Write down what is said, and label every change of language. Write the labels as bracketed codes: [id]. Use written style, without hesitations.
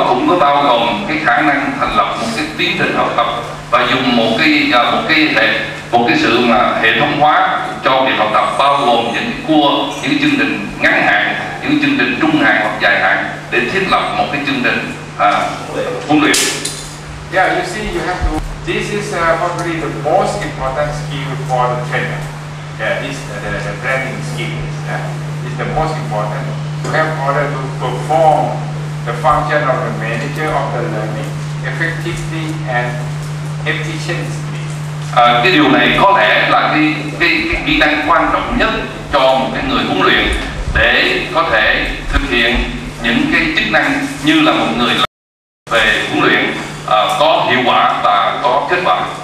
[vi] đó cũng có bao gồm cái khả năng thành lập một cái tiến trình học tập và dùng một cái sự mà hệ thống hóa cho việc học tập, bao gồm những chương trình ngắn hạn, những chương trình trung hạn hoặc dài hạn để thiết lập một cái chương trình huấn luyện. [en] Yeah, you see, you have to. This is probably the most important skill for the trainer. Yeah, this the planning skill is the most important. You have order to perform the function of the manager of the learning effectively and efficiently. [vi] Cái điều này có lẽ là cái kỹ năng quan trọng nhất cho một cái người huấn luyện để có thể thực hiện những cái chức năng như là một người về huấn luyện có hiệu quả và có kết quả.